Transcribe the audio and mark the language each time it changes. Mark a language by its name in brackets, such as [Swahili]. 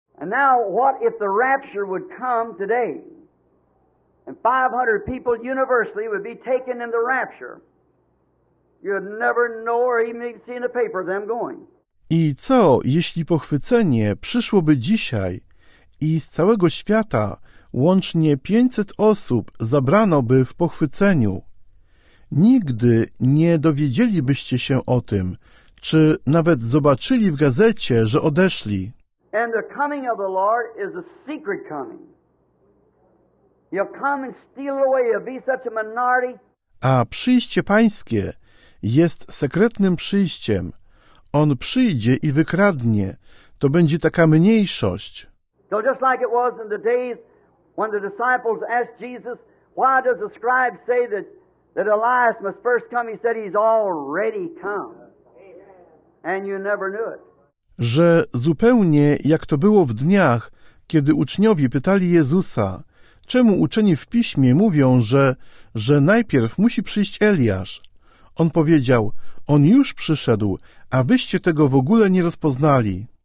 [English] And now, what if the rapture would come today, and 500 people universally would be taken in the rapture? You'd never know or even see in the paper them going. [Polish] I co, jeśli pochwycenie przyszłoby dzisiaj i z całego świata łącznie 500 osób zabrano by w pochwyceniu? Nigdy nie dowiedzielibyście się o tym, czy nawet zobaczyli w gazecie, że odeszli. [English] And the coming of the Lord is a secret coming. He'll come and steal away. He'll be such a minority. [Polish] A przyjście Pańskie jest sekretnym przyjściem. On przyjdzie i wykradnie. To będzie taka mniejszość. [English] So just like it was in the days when the disciples asked Jesus, why does the scribe say that Elias must first come? He said he's already come. And you never knew it. [Polish] Że zupełnie jak to było w dniach, kiedy uczniowie pytali Jezusa, czemu uczeni w piśmie mówią, że najpierw musi przyjść Eliasz? On powiedział, on już przyszedł, a wyście tego w ogóle nie rozpoznali.